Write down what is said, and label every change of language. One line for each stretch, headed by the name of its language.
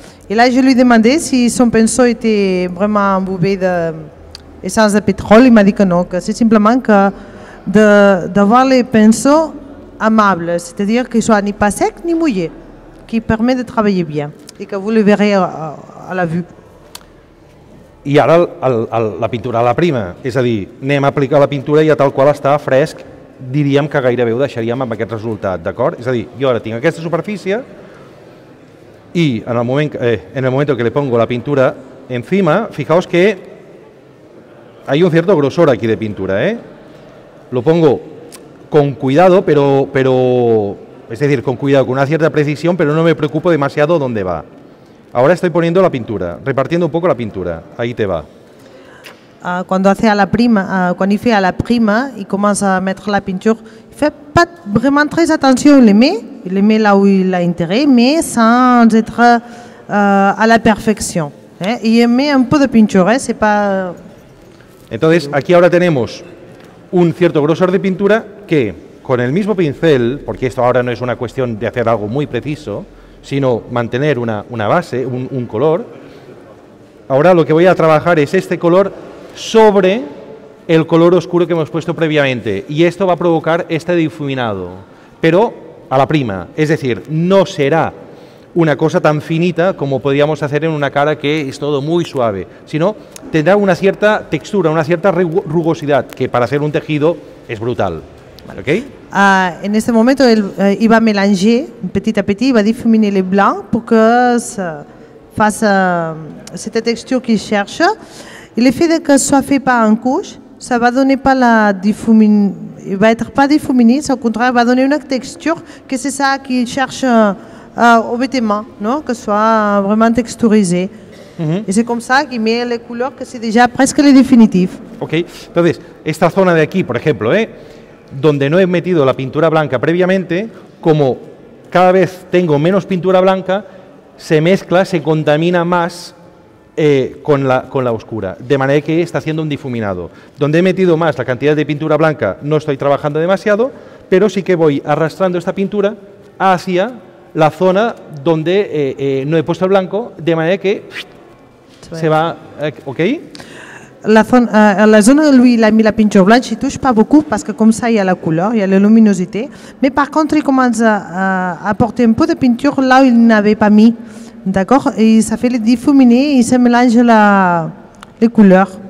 French: Et là, je lui ai demandé si son pinceau était vraiment imbibé d'essence de pétrole. Il m'a dit que non, que c'est simplement que d'avoir les pinceaux amables, c'est-à-dire qu'ils ne soient ni pas secs ni mouillés, qui permet de travailler bien et que vous le verrez à la vue.
Catalan: I ara la pintura a la prima, és a dir, anem a aplicar la pintura i a tal qual està fresc, diríem que gairebé ho deixaríem amb aquest resultat, d'acord? És a dir, jo ara tinc aquesta superfície i en el moment que
Spanish: le pongo la pintura encima, fijaos que hay un cierto grosor aquí de pintura, Lo pongo con cuidado, pero es decir, con cuidado, con una cierta precisión, pero no me preocupo demasiado dónde va. Ahora estoy poniendo la pintura, repartiendo un poco la pintura. Ahí te va. Cuando hace a la prima, cuando hace a la prima y comienza a meter la pintura,
French: fait pas vraiment très attention, il le met là où il a intérêt, mais sans être à la perfection. Y met un peu de pintura, c'est pas.
Spanish: Entonces, aquí ahora tenemos un cierto grosor de pintura que con el mismo pincel, porque esto ahora no es una cuestión de hacer algo muy preciso, sino mantener una base, un color, ahora lo que voy a trabajar es este color sobre el color oscuro que hemos puesto previamente, y esto va a provocar este difuminado, pero a la prima, es decir, no será una cosa tan finita como podríamos hacer en una cara que es todo muy suave, sino tendrá una cierta textura, una cierta rugosidad, que para hacer un tejido es brutal. Vale. Okay. En este momento él iba a
French: mélanger petit à petit, iba a difuminer le blanc pour que se fasse cette texture qu'il cherche. Et le fait que ce soit fait pas en couche, ça va donner pas la difuminée, il va être pas difuminé, au contraire, va donner une texture que c'est ça qu'il cherche au vêtement, non, que ce soit vraiment texturisé. Mm-hmm. Et c'est comme ça qu'il met les couleurs que c'est déjà presque le définitif.
Spanish: Ok, entonces, esta zona de aquí, por ejemplo, donde no he metido la pintura blanca previamente, como cada vez tengo menos pintura blanca, se mezcla, se contamina más con la oscura, de manera que está haciendo un difuminado. Donde he metido más la cantidad de pintura blanca, no estoy trabajando demasiado, pero sí que voy arrastrando esta pintura hacia la zona donde no he puesto el blanco, de manera que se va, ¿ok?
French: La zone où il a mis la peinture blanche, il ne touche pas beaucoup parce que comme ça, il y a la couleur, il y a la luminosité. Mais par contre, il commence à apporter un peu de peinture là où il n'avait pas mis. D'accord ? Et ça fait le diffuminer et ça mélange les couleurs.